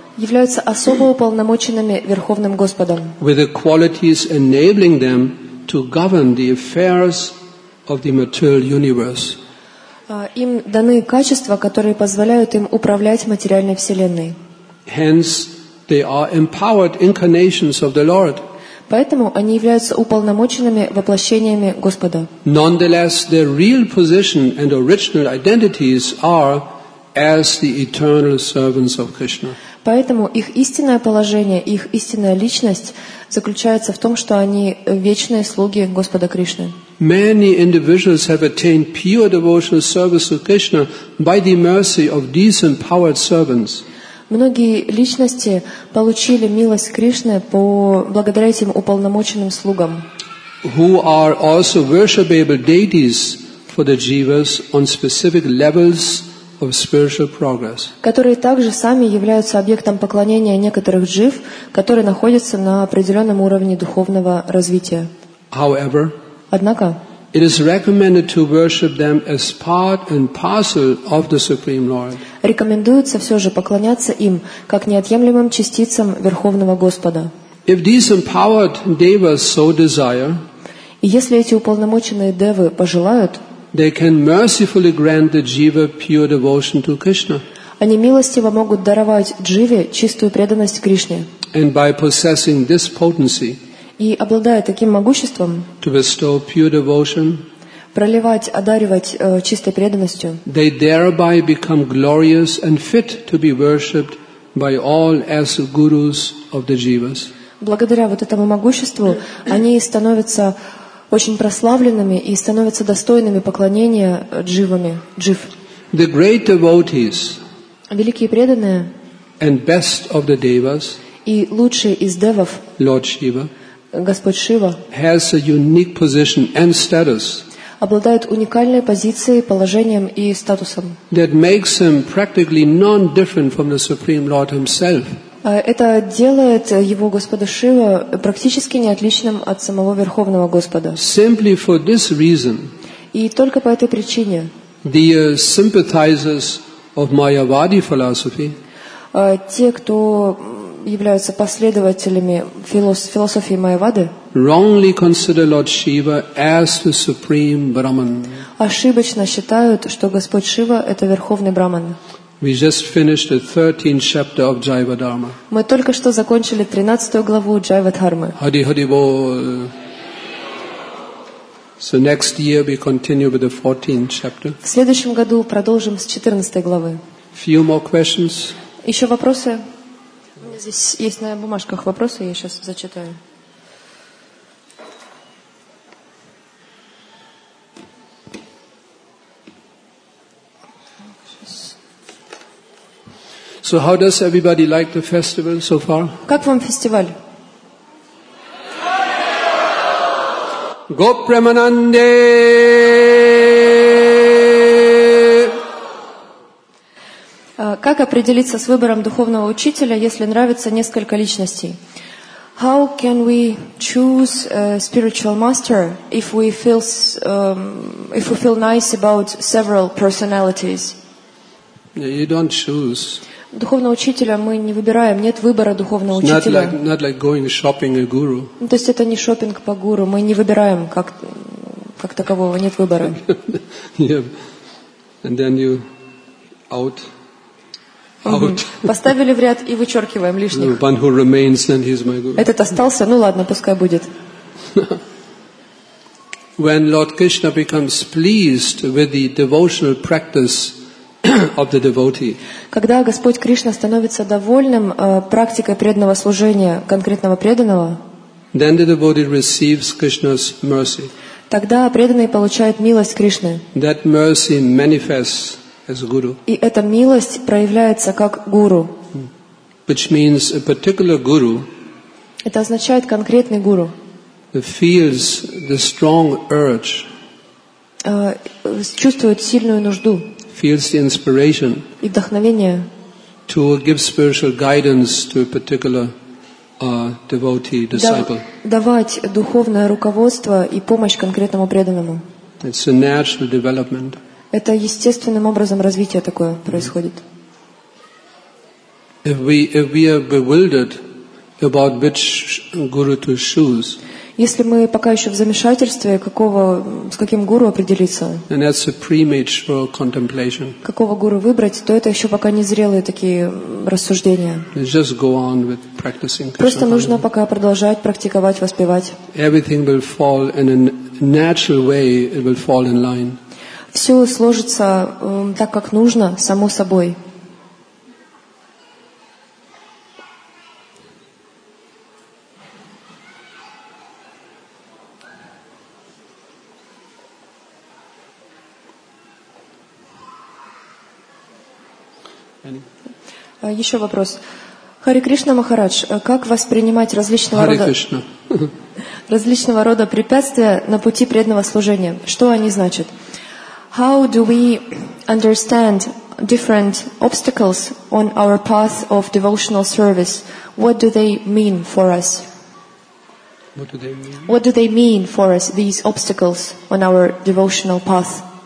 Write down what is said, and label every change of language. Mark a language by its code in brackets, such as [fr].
[ru] Являются особо уполномоченными Верховным Господом. [en] With the qualities enabling them to govern the affairs of the material universe. [ru] Им даны качества, которые позволяют им управлять материальной вселенной. [en] Hence, they are empowered incarnations of the Lord. [ru] Поэтому они являются уполномоченными воплощениями Господа. [en] Nonetheless, their real position and original identities are as the eternal servants of Krishna. [ru] Поэтому их истинное положение, их истинная личность заключается в том, что они вечные слуги Господа Кришны. [en] Many individuals have attained pure devotional service to Krishna by the mercy of these empowered servants. [ru] Многие личности получили милость Кришны благодаря этим уполномоченным слугам. [en] Who are also worshipable deities for the jivas on specific levels of spiritual progress. [ru] Которые также сами являются объектом поклонения некоторых джив, которые находятся на определенном уровне духовного развития. [en] However, [ru] однако, [en] it is recommended to worship them as part and parcel of the Supreme Lord. [ru] Рекомендуется все же поклоняться им как неотъемлемым частицам Верховного Господа. [en] If these empowered devas so desire, [ru] и если эти уполномоченные девы пожелают, [en] they can mercifully grant the jiva pure devotion to Krishna. [ru] Они милостиво могут даровать дживе чистую преданность Кришне. [en] And by possessing this potency, [ru] и обладая таким могуществом, [en] to bestow pure devotion, [ru] проливать, одаривать чистой преданностью, [en] they thereby become glorious and fit to be worshipped by all as gurus of the jivas. [ru] Благодаря вот этому могуществу они становятся очень прославленными и становятся достойными поклонения дживами, джив. [en] The great devotees, [ru] великие преданные, [en] and best of the devas, [ru] и лучшие из девов, [en] Lord Shiva, [ru] Господь Шива, [en] has a unique position and status, [ru] обладает уникальной позицией, положением и статусом. [en] That makes him practically non-different from the Supreme Lord himself. [ru] Это делает его Господа Шива практически неотличным от самого Верховного Господа. [en] Simply for this reason, [ru] и только по этой причине [en] the sympathizers of Mayavadi philosophy, [ru] те, кто являются последователями философии Майявады, [en] wrongly consider Lord Shiva as the supreme Brahman. [ru] Ошибочно считают, что Господь Шива — это Верховный Брахман. [en] We just finished the 13th chapter of Jiva Dharma. [ru] Мы только что закончили 13-ю главу Jiva Dharma. Hari Hari Bol. [en] So next year we continue with the 14th chapter. [ru] В следующем году продолжим с 14-й главы. [en] Few more questions? [ru] Еще вопросы? Здесь есть на бумажках вопросы, я сейчас зачитаю. [en] So how does everybody like the festival so far? [ru] Как вам фестиваль? Гопреманандэ. Как определиться с выбором духовного учителя, если нравится несколько личностей? [en] How can we choose a spiritual master if we feel nice about several personalities? You don't choose. [ru] Духовного учителя мы не выбираем, нет выбора духовного учителя. [en] Not like going shopping a guru. [ru] Ну, то есть это не шопинг по гуру, мы не выбираем как такового, нет выбора. [en] Yeah. And then you out. [ru] Поставили в ряд и вычеркиваем лишних. [en] One who remains, then he's my guru. [ru] Этот остался, ну ладно, пускай будет. [en] When Lord Krishna becomes pleased with the devotional practice of the devotee. [ru] Когда Господь Кришна становится довольным практикой преданного служения конкретного преданного, [en] then the devotee receives Krishna's mercy. [ru] Тогда преданный получает милость Кришны. [en] That mercy manifests as guru. [ru] И эта милость проявляется как гуру. [en] Which means a particular guru. [ru] Это означает конкретный гуру. [en] Feels the strong urge. [ru] Чувствует сильную нужду. [en] Feels the inspiration to give spiritual guidance to a particular devotee, disciple. [ru] Давать духовное руководство и помощь конкретному преданному. [en] It's a natural development. [ru] Это естественным образом развитие такое происходит. [en] If we are bewildered about which guru to choose. [ru] Если мы пока еще в замешательстве, с каким гуру определиться? [en] And that's a premature contemplation. [ru] Какого гуру выбрать, то это еще пока незрелые такие рассуждения. [en] Just go on with practicing. [ru] Просто нужно пока продолжать практиковать, воспевать. [en] Everything will fall in a natural way, it will fall in line. [ru] Все сложится так, как нужно, само собой. Еще вопрос. Хари Кришна Махарадж, как воспринимать различного рода препятствия на пути преданного служения? Что они значат? [en] How do we understand different obstacles on our path of devotional service? What do they mean for us? What do they mean for us, these obstacles on our devotional path?